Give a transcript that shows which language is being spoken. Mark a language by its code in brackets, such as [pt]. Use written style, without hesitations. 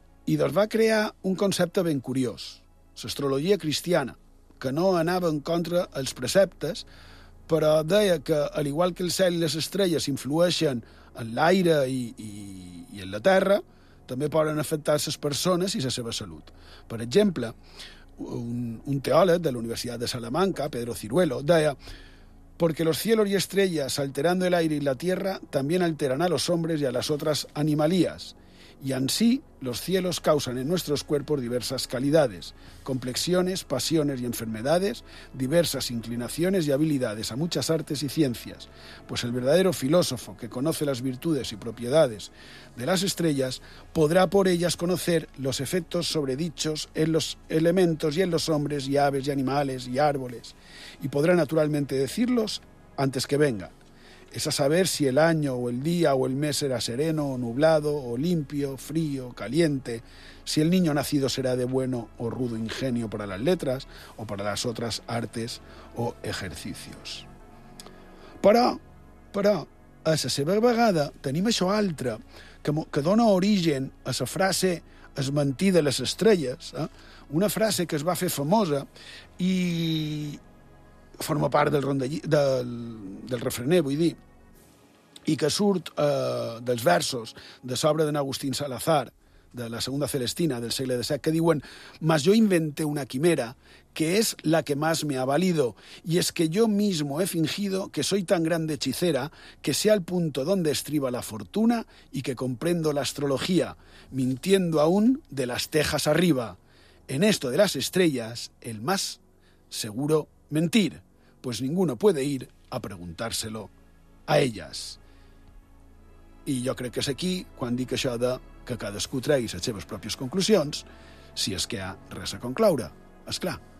[ca] I doncs va crear un concepte ben curiós, l'astrologia cristiana, que no anava en contra els preceptes, però deia que, al igual que el cel i les estrelles influeixen en l'aire i en la terra, també poden afectar les persones i la seva salut. Per exemple, un teòleg de la Universitat de Salamanca, Pedro Ciruelo, deia: [es] porque los cielos y estrellas, alterando el aire y la tierra, también alteran a los hombres y a las otras animalías. Y así, los cielos causan en nuestros cuerpos diversas calidades, complexiones, pasiones y enfermedades, diversas inclinaciones y habilidades a muchas artes y ciencias, pues el verdadero filósofo que conoce las virtudes y propiedades de las estrellas podrá por ellas conocer los efectos sobre dichos en los elementos y en los hombres y aves y animales y árboles, y podrá naturalmente decirlos antes que venga. Es a saber si el año o el día o el mes será sereno o nublado o limpio, frío, caliente, si el niño nacido será de bueno o rudo ingenio para las letras o para las otras artes o ejercicios. [ca] Però, a la seva vegada tenim això altre que dona origen a la frase «Es mentí de les estrelles», eh? Una frase que es va fer famosa i forma part del rondellí, del refrener, vull dir, i que surt dels versos de l'obra d'en Agustín Salazar, de la Segunda Celestina, del segle XVII, que diuen: [es] «Mas yo inventé una quimera, que es la que más me ha valido, y es que yo mismo he fingido que soy tan grande hechicera que sé al punto donde estriba la fortuna y que comprendo la astrología, mintiendo aún de las tejas arriba. En esto de las estrellas, el más seguro mentir, pues ninguno puede ir a preguntárselo a ellas. [ca] I jo crec que és aquí quan dic això de que cadascú tregui les seves pròpies conclusions, si és que hi ha res a concloure, és clar.